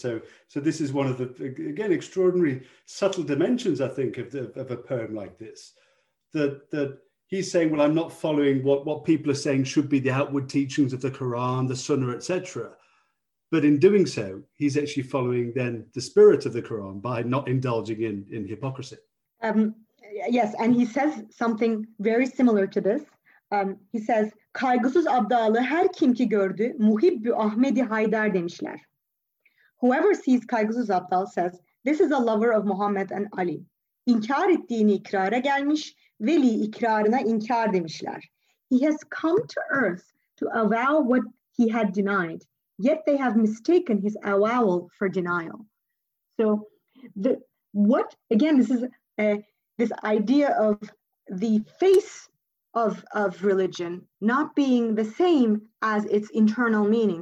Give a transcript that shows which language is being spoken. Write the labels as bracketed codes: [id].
[en] So this is one of the, again, extraordinary subtle dimensions, I think, of a poem like this, that he's saying, well, I'm not following what people are saying should be the outward teachings of the Quran, the Sunnah, etc. But in doing so, he's actually following then the spirit of the Quran by not indulging in hypocrisy. Yes, and he says something very similar to this. He says, [tr] kaygısız abdalı her kim ki gördü, muhibbü Ahmedi Haydar demişler. [en] Whoever sees kaygısız abdal says, this is a lover of Muhammad and Ali. [tr] İnkar ettiğini ikrara gelmiş, veli ikrarına inkar demişler. [en] He has come to earth to avow what he had denied, yet they have mistaken his avowal for denial. So this idea of the face of religion not being the same as its internal meaning.